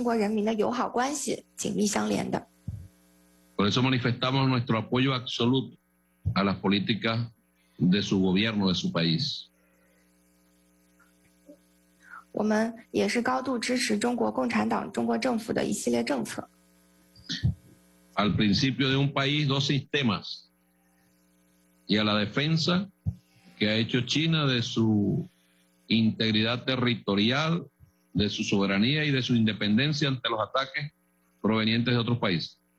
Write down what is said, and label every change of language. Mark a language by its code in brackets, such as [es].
[zh] 和中国相比，委内瑞拉是一个小国，但是我们非常清楚，委内瑞拉的未来一定是与我们和中国政府、中国人民的友好关系紧密相连的。 [es] Por eso manifestamos nuestro apoyo absoluto a las políticas de su gobierno, de su país. [zh] 我们也是高度支持中国共产党、中国政府的一系列政策。 [es] Al principio de un país, dos sistemas, y a la defensa que ha hecho China de su integridad territorial, de su soberanía y de su independencia ante los ataques provenientes de otros países.